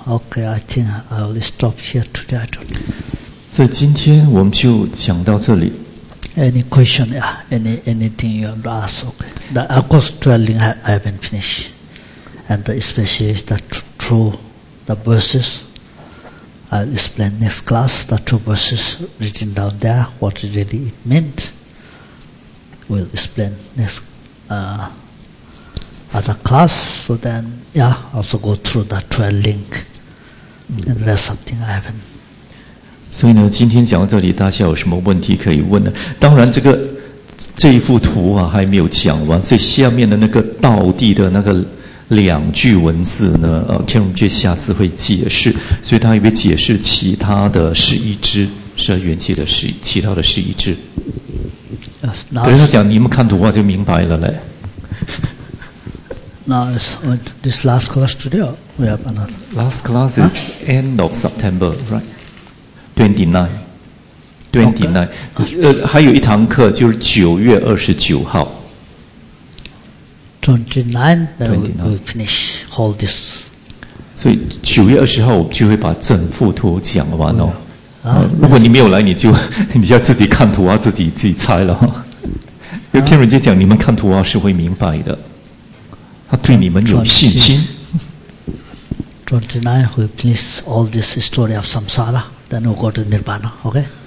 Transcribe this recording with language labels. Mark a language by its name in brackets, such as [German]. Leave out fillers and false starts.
[English] Okay, I think I will stop here today. I don't know. [Chinese] 所以今天我们就讲到这里。 [English] Any question? Yeah. Anything you want to ask? Okay. The of course, dwelling I haven't finished, and especially the two the verses. I'll explain next class the two verses written down there. What really it meant? We'll explain next. Other class, so then, yeah, also go through the 12 link and read something I haven't. [Chinese] 所以呢，今天讲到这里，大家有什么问题可以问呢？当然，这一幅图啊还没有讲完，所以下面的那个道地的那个两句文字呢，Cameron J下次会解释，所以他也会解释其他的十一支十二元气的其他的十一支。等于他讲，你们看图画就明白了嘞。 [English] Now is this last class today or we have another? Last class is end of September, right? 29. Okay. [Chinese] 还有一堂课就是9月29号。 [English] 29, then we'll finish all this. [Chinese] 所以9月20号我们就会把整幅图讲完了。如果你没有来你要自己看图啊自己猜了。因为天文就讲你们看图啊是会明白的。他对你们有信心。 [English] 29, we finish all this story of samsara, then we'll go to nirvana, okay?